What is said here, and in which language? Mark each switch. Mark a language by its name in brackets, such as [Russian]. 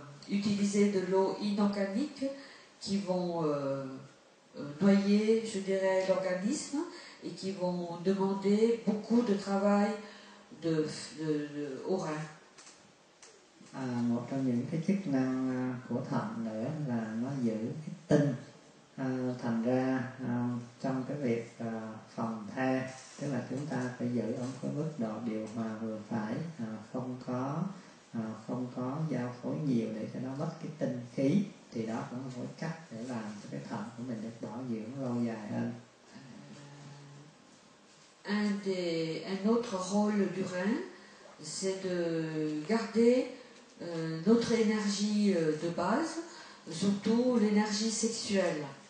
[French] utiliser de l'eau inorganique qui vont noyer, je dirais, l'organisme et qui vont demander beaucoup de travail de au rein. [Vietnamese] Một trong những cái chức năng của thận nữa là nó giữ cái tinh. Thành ra trong cái việc phòng the, tức là chúng ta phải giữ ở cái mức độ điều hòa vừa phải, không có không có giao phối nhiều để cho nó mất cái tinh khí, thì đó cũng là một cách để làm cho cái thận của mình được bảo dưỡng lâu dài hơn. [French] Un autre rôle du rein, c'est de garder notre énergie de base, surtout l'énergie sexuelle.